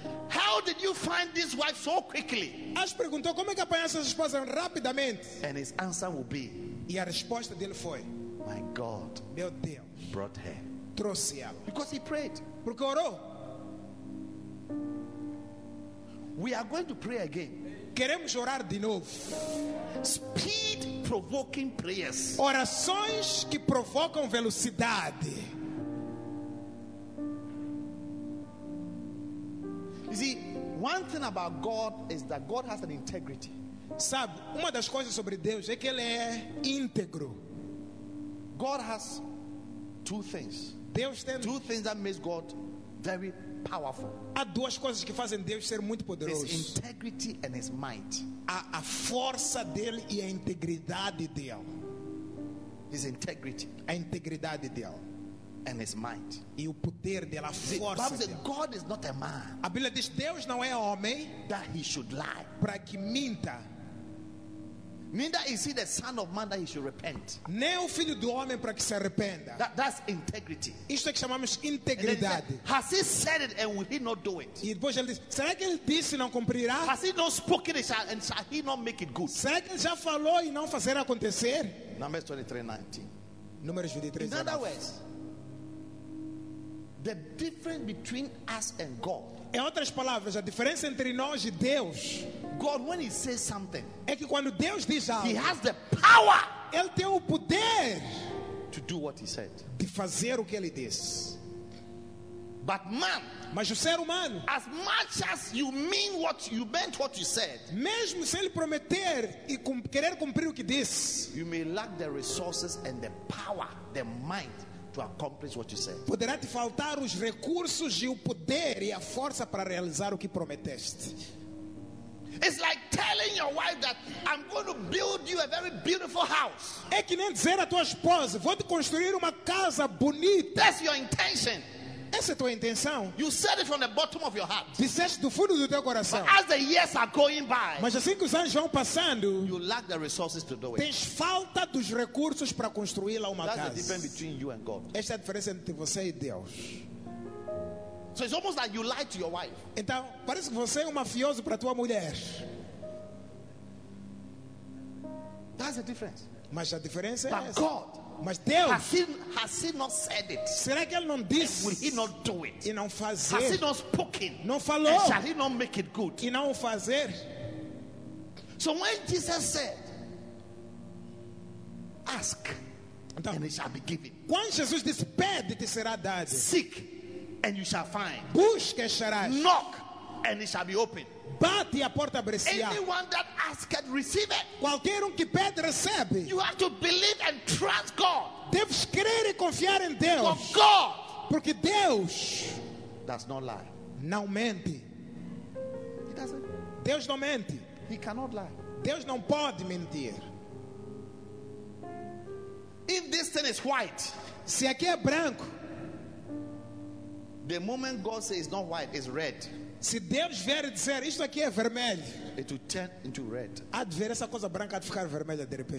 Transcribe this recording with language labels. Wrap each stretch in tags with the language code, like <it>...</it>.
<en>how did you find this wife so quickly?</en> <pt>Acho perguntou: como é que apanhaste essa esposa rapidamente?</pt> <en>And his answer will be,</en> <pt>e a resposta dele foi:</pt> <en>my God,</en> <pt>meu Deus,</pt> <en>brought her,</en> <pt>trouxe ela.</pt> <en>Because he prayed,</en> <pt>porque orou.</pt> <en>We are going to pray again.</en> <pt>Queremos orar de novo.</pt> <en>Speed provoking prayers.</en> <pt>Orações que provocam velocidade.</pt> <en>You see, one thing about God is that God has an integrity.</en> <pt>Sabe, uma das coisas sobre Deus é que ele é íntegro.</pt> <en>God has two things.</en> <pt>Deus tem</pt> <en>two things that makes God very powerful.</en> <pt>Há duas coisas que fazem Deus ser muito poderoso.</pt> <en>His integrity and his might.</en> <pt>A força dele e a integridade dele.</pt> <en>His integrity.</en> <pt>A integridade dele.</pt> <en>And his might.</en> <pt>E o poder dela, a força.</pt> <en>Bible says God is not a man.</en> <pt>A Bíblia diz Deus não é homem.</pt> <en>That he should lie.</en> <pt>Para que minta.</pt> <en>Neither is he the son of man that he should repent.</en> <pt>Nem o filho do homem para que se arrependa.</pt> <en>That's integrity.</en> <pt>Isso é que chamamos integridade.</pt> <en>Has he said it and will he not do it?</en> <pt>E depois ele diz, será que ele disse e não cumprirá?</pt> <en>Has he not spoken it and shall he not make it good?</en> <pt>Será que ele já falou e não fazer acontecer?</pt> <en>Numbers 23, 19.</en> <pt>Números 23,</pt> <en>19. In other words, the difference between us and God.</en> <pt>Em outras palavras, a diferença entre nós e Deus.</pt> <en>God, when he says something,</en> <pt>é que quando Deus diz algo,</pt> <en>he has the power.</en> <pt>Ele tem o poder</pt> <en>to do what he said.</en> <pt>De fazer o que ele diz.</pt> <en>But man,</en> <pt>mas o ser humano,</pt> <en>as much as you mean what you meant what you said,</en> <pt>mesmo se ele prometer e querer cumprir o que diz,</pt> <en>you may lack the resources and the power, the mind. To accomplish what you said.</en> <pt>Poderá te faltar os recursos e o poder e a força para realizar o que prometeste.</pt> <en>It's like telling your wife that I'm going to build you a very beautiful house.</en> <pt>É que nem dizer à tua esposa, vou te construir uma casa bonita.</pt> <en>That's your intention.</en> <pt>Essa é a tua intenção.</pt> <en>You said it from the bottom of your heart.</en> <pt>Disseste do fundo do teu coração.</pt> <en>But as the years are going by,</en> <pt>mas assim que os anos vão passando,</pt> <en>you lack the resources to do it.</en> <pt>Tens falta dos recursos para construí-la uma</pt> <en>That's</en> <pt>casa.</pt> <en>The difference between you and God.</en> <pt>Esta é a diferença entre você e Deus.</pt> <en>So it's almost like you lie to your wife.</en> <pt>Então, parece que você é um mafioso para a tua mulher.</pt> <en>That's the difference.</en> <pt>Mas a diferença</pt> <en>But</en> <pt>é essa.</pt> <en>God,</en> <pt>mas Deus,</pt> <en>has he not said it?</en> <pt>Será que ele não disse?</pt> <en>And will he not do it?</en> <pt>E não fazer?</pt> <en>Has he not spoken?</en> <pt>Não falou?</pt> <en>And shall he not make it good?</en> <pt>E não fazer?</pt> <en>So when Jesus said, ask,</en> <pt>então,</pt> <en>and it shall be given.</en> <pt>Quando Jesus disse, pede, te será dado.</pt> <en>Seek, and you shall find.</en> <pt>Busque, acharás.</pt> <en>Knock, and it shall be opened.</en> <pt>Bate a porta abre-se-á.</pt> <en>Anyone that asks, receive it.</en> <pt>Qualquer que pede, recebe.</pt> <en>You have to believe and trust God.</en> <pt>Deves crer e confiar em Deus.</pt> <en>Because God,</en> <pt>porque Deus,</pt> <en>does not lie.</en> <pt>Não mente.</pt> <en>He doesn't.</en> <pt>Deus não mente.</pt> <en>He cannot lie.</en> <pt>Deus não pode mentir.</pt> <en>If this thing is white,</en> <pt>se aqui é branco,</pt> <en>the moment God says it's not white, it's red.</en> <pt>Se Deus vier e dizer isto aqui é vermelho,</pt> <en>it will turn into red.</en> <pt>Há de ver essa coisa branca de ficar vermelha de repente.</pt>